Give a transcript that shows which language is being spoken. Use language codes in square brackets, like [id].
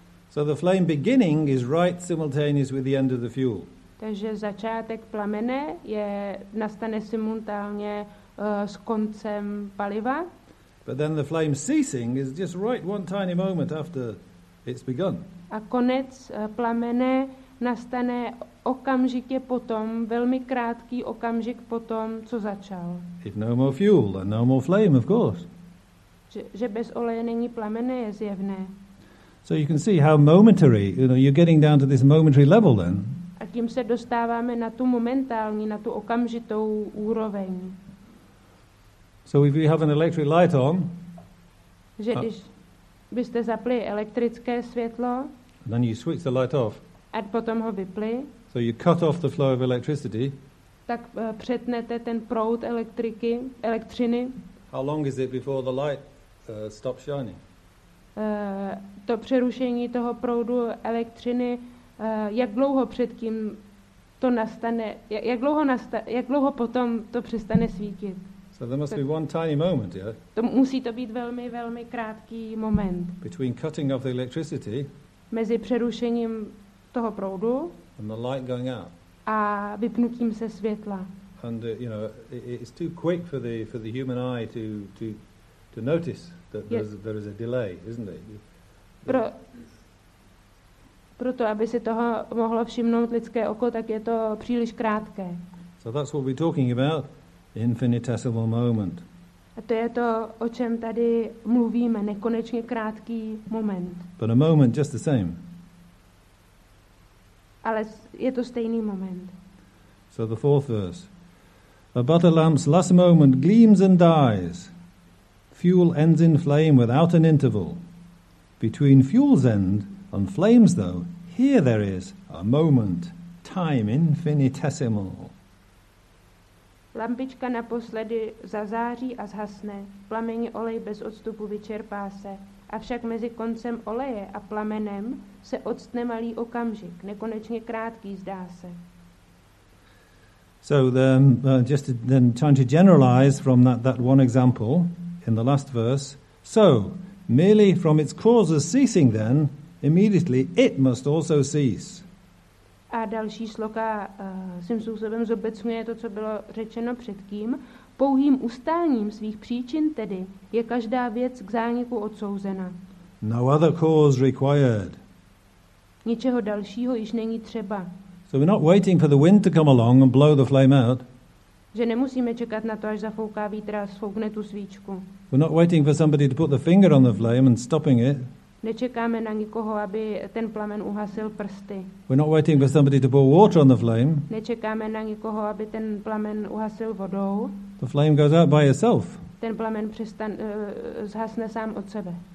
[en] So the flame beginning is right simultaneous with the end of the fuel. [cs] Takže začátek plamene je nastane simultánně s koncem paliva. [en] But then the flame ceasing is just right one tiny moment after it's begun. [cs] A konec plamene nastane okamžitě potom, velmi krátký okamžik potom, co začal. [en] If no more fuel, then no more flame, of course. [cs] Že bez oleje není plamene, je zjevné. [en] So you can see how momentary, you know, you're getting down to this momentary level then. [cs] A tím se dostáváme na tu momentální, na tu okamžitou úroveň. [en] So if you have an electric light on, [cs] že když byste zapli elektrické světlo, [en] then you switch the light off. [cs] A potom ho vypli. [en] So you cut off the flow of electricity. [cs] Tak přetnete ten proud elektřiny. [en] How long is it before the light stops shining? [cs] To přerušení toho proudu elektřiny, jak dlouho předtím to nastane, jak dlouho potom to přestane svítit? [en] So there must be one tiny moment, yeah? [cs] To musí to být velmi, velmi krátký moment. [en] Between cutting off the electricity. [cs] Mezi přerušením toho proudu. [en] And the light going out. [cs] A vypnutím se světla. [en] And you know, it's too quick for the human eye to notice that there is a delay, isn't it? [cs] Proto, aby si toho mohlo všimnout lidské oko, tak je to příliš krátké. [en] So that's what we're talking about, infinitesimal moment. [cs] A to je to, o čem tady mluvíme, nekonečně krátký moment. [en] But a moment just the same. [cs] Ale je to stejný moment. [en] So the fourth verse. A butter lamp's last moment gleams and dies. Fuel ends in flame without an interval. Between fuel's end and flames, though, here there is a moment, time infinitesimal. [cs] Lampička naposledy zazáří a zhasne. Plamení olej bez odstupu vyčerpá se. Avšak mezi koncem oleje a plamenem se octne malý okamžik, nekonečně krátký, zdá se. [en] So then, just then trying to generalize from that one example in the last verse. So, merely from its causes ceasing then, immediately it must also cease. [cs] A další sloka svým způsobem zobecňuje to, co bylo řečeno předtím. Pouhým ustáním svých příčin tedy je každá věc k zániku odsouzena. [en] No other cause required. [cs] Ničeho dalšího již není třeba. [en] So we're not waiting for the wind to come along and blow the flame out. [cs] Že nemusíme čekat na to, až zafouká vítr a sfoukne tu svíčku. [en] We're not waiting for somebody to put the finger on the flame and stopping it. [cs] Nečekáme na nikoho, aby ten plamen uhasil prsty. [en] We're not waiting for somebody to pour water on the flame. [cs] Nečekáme na nikoho, aby ten plamen uhasil vodou. [en] The flame goes out by itself. [cs] Ten plamen zhasne sám od sebe.